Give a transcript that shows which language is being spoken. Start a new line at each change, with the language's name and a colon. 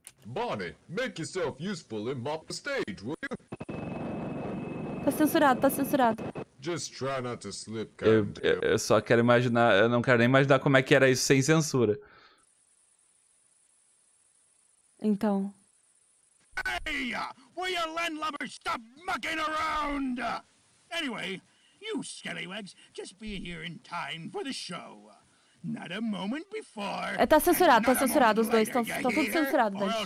English: Bonnie, make yourself useful and mop the stage, will you?
Portuguese: Tá censurado.
English: Just try not to slip,
Portuguese: eu só quero imaginar, eu não quero nem imaginar como é que era isso sem censura. Então.
English: Hey, will your landlubber stop mucking around? Anyway, you scallywags, just be here in time for the show. Not a moment before.
Portuguese: É, tá censurado, os dois estão tudo censurados.